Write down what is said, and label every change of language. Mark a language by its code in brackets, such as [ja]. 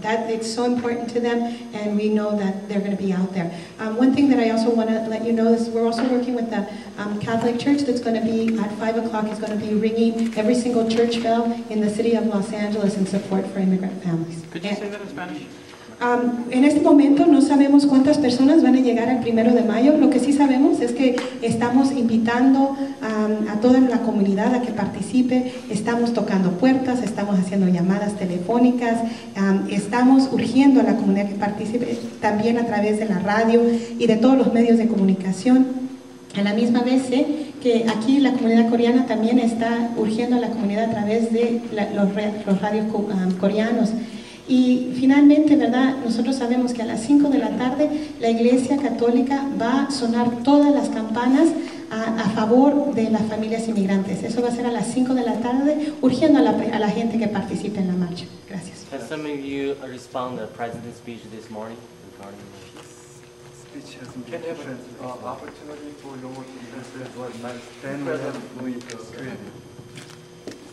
[en] That it's so important to them, and we know that they're going to be out there. One thing that I also want to let you know is we're also working with the Catholic Church that's going to be at 5 o'clock, is going to be ringing every single church bell in the city of Los Angeles in support for immigrant families. Could you say that in Spanish? [es] En este momento no sabemos cuántas personas van a llegar el primero de mayo. Lo que sí sabemos es que estamos invitando a toda la comunidad a que participe. Estamos tocando puertas, estamos haciendo llamadas telefónicas, estamos urgiendo a la comunidad que participe también a través de la radio y de todos los medios de comunicación. A la misma vez sé que aquí la comunidad coreana también está urgiendo a la comunidad a través de los radios coreanos. Y finalmente, ¿verdad? Nosotros sabemos que a las 5 de la tarde la Iglesia Católica va a sonar todas las campanas a favor de las familias inmigrantes. Eso va a ser a las 5 de la tarde, urgiendo a la gente que participe en la marcha. Gracias. [en] Has some of you responded to the President's speech this morning regarding the speech? Speech has been different. Opportunity for your investors was managed to stand with